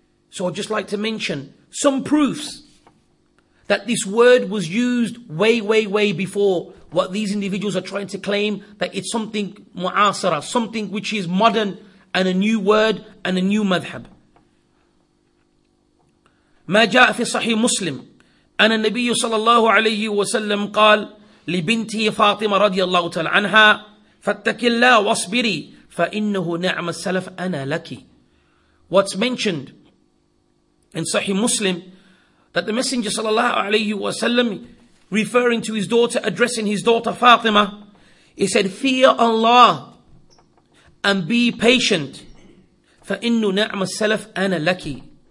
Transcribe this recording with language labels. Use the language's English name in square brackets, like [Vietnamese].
[English] So I'd just like to mention some proofs that this word was used way, way, way before what these individuals are trying to claim, that it's something mu'asara, something which is modern and a new word and a new madhab. [Arabic] ما جاء في صحيح مسلم أن النبي صلى الله عليه وسلم قال لبنته فاطمة رضي الله تعالى عنها فاتك الله واصبري فإنه نعم السلف أنا لك. [English] What's mentioned in صحيح مسلم that the messenger صلى الله عليه وسلم referring to his daughter, addressing his daughter Fatima, he said, fear Allah and be patient. [Arabic] فَإِنُّ نَعْمَ السَّلَفْ أَنَا لَكِ.